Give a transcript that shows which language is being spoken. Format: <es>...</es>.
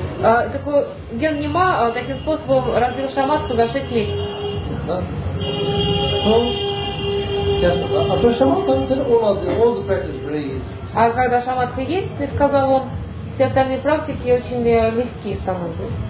<ru>Такой ген нема таким способом развил шаматху за 6 месяцев.</ru> <en>So, yes, after shamatha, then all the practice very easy.</en> <ru>А когда шаматха есть, ты сказал он, все остальные практики очень легкие становятся.</ru>